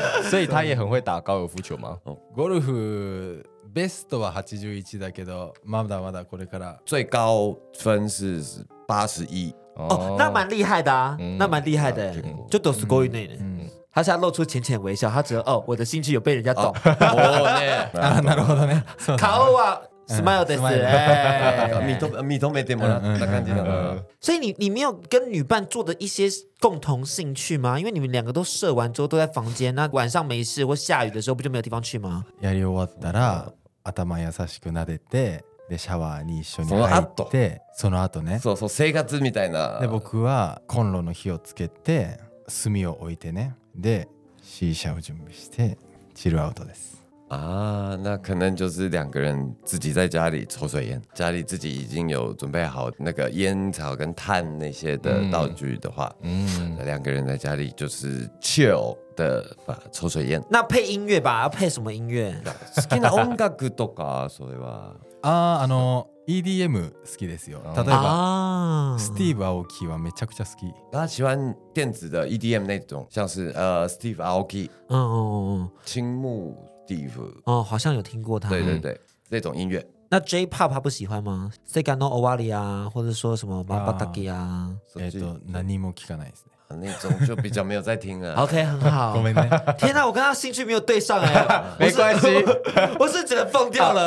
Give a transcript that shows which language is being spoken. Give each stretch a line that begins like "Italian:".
Chinese: 所以他也很会打高尔夫球吗？
Japanese: ゴルフベストは81だけど、まだまだこれから。
Chinese: 最高分是81。哦，那蛮厉害的啊，那蛮厉害的，就都是过于内的。他现在露出浅浅微笑，他觉得哦，我的兴趣有被人家懂。哦，那如何呢？
Japanese: 顔は smile です。認めてもらった感じだ。
Chinese: 所以你没有跟女伴做的一些共同兴趣吗？因为你们两个都射完之后都在房间，那晚上没事或下雨的时候不就没有地方去吗？
Japanese: やり終わったら頭優しく撫でて。でシャワーに一緒に入ってその後ね、そうそう生活みたいな。で僕はコンロの火をつけて炭を置いてね、でシーシャを準備してチルアウトです。
Chinese: 啊，那可能就是两个人自己在家里抽水烟，家里自己已经有准备好那个烟草跟炭那些的道具的话，两个人在家里就是 chill 的把抽水烟。那配音乐吧，要配什么音乐？
Japanese: 好きな音楽とかそれは。 EDM 好きですよ。例えば、スティーブ・アオキはめちゃくちゃ好き。
Chinese: 他喜欢电子的 EDM 那种，像是スティーブ・アオキ、青木スティーブ。哦，好像有听过他。对对对，这种音乐。那 J-pop 他不喜欢吗 ？Sega no Owari 啊，或者说什么 Babadaki 啊？
Japanese: 何も聞かないですね。
Chinese: 那种就比较没有在听了。 OK， 很好。
Japanese: ごめんね。
Chinese: 天哪，我跟他兴趣没有对上哎。没关系，我是只能疯掉了。